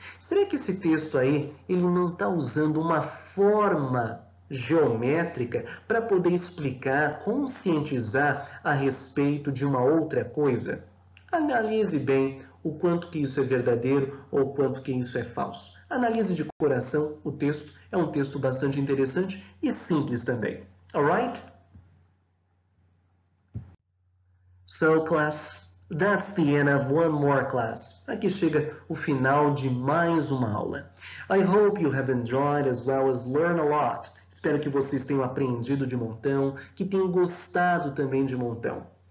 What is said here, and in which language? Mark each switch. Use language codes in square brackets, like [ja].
[pt] Será que esse texto aí, ele não está usando uma forma geométrica para poder explicar, conscientizar a respeito de uma outra coisa? Analise bem o quanto que isso é verdadeiro ou o quanto que isso é falso. Analise de coração o texto, é um texto bastante interessante e simples também. [en] Alright? So, class, that's the end of one more class. [pt] Aqui chega o final de mais uma aula. [en] I hope you have enjoyed as well as learned a lot. [pt] Espero que vocês tenham aprendido de montão, que tenham gostado também de montão.